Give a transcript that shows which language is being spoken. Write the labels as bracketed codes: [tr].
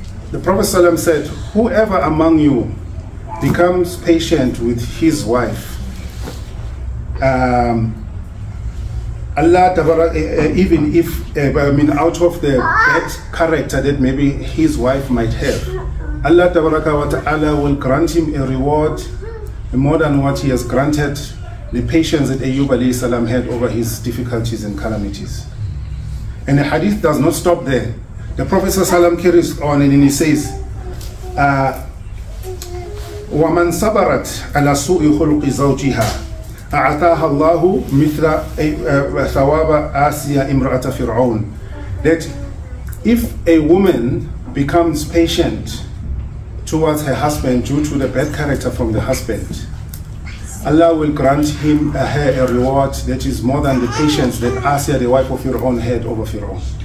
[en] The Prophet ﷺ said, whoever among you becomes patient with his wife, Allah, even if out of the bad character that maybe his wife might have, Allah tabaraka wa ta'ala will grant him a reward more than what he has granted the patience that Ayyub alayhi salam had over his difficulties and calamities. And the hadith does not stop there. The Prophet salam carries on and he says, [ar] وَمَنْ صَبَرَتْ عَلَى سُوءِ خُلُقِ زَوْجِهَا أَعَطَاهَا اللَّهُ مِثْلَ ثَوَابَ آسِيَ إِمْرَأَةَ فِرْعَوْنَ. [en] That if a woman becomes patient towards her husband due to the bad character from the husband, Allah will grant him her a reward that is more than the patience that Asiya, the wife of Fir'aun, had over Fir'aun.